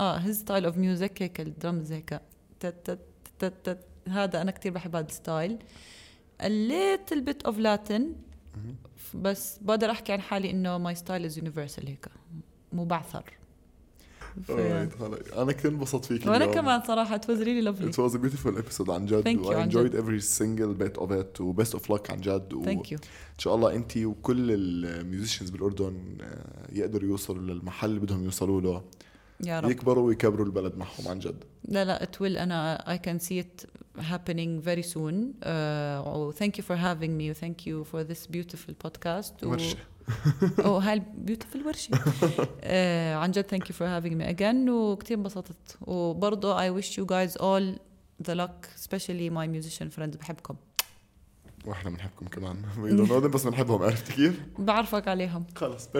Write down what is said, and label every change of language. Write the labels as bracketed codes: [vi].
[en] His style of music [ar] هيك الدرمز هيك تتتتتت, هذا أنا كثير بحب هذا الستايل. [en] A little bit of Latin. [ar] بس بقدر أحكي عن حالي إنه [en] my style is universal [ar] هيك, مبعثر. أنا كثير انبسطت فيك اليوم. وأنا كمان صراحة, [en] it was really lovely. It was a beautiful episode [ar] عن جد. [en] Thank you. I enjoyed every single bit of it. Best of luck [ar] عن جد. [en] Thank you. [ar] إن شاء الله أنت وكل الميوزيشنز بالأردن يقدروا يوصلوا للمحل اللي بدهم يوصلوا له. يا رب. يكبروا ويكبروا البلد معهم عن جد. لا لا, [en] it will. [ar] أنا [en] I can see it happening very soon. Thank you for having me. Thank you for this beautiful podcast. [ar] ورشة. أو هاي البيوتيفل ورشي. عن جد [en] thank you for having me again, [ar] وكتير انبسطت, وبرضو [en] I wish you guys all the luck, especially my musician friends. [ar] بحبكم. واحنا منحبكم كمان. [en] We don't know them, [ar] بس منحبهم. عرفت كيف؟ بعرفك عليهم. خلص perfect.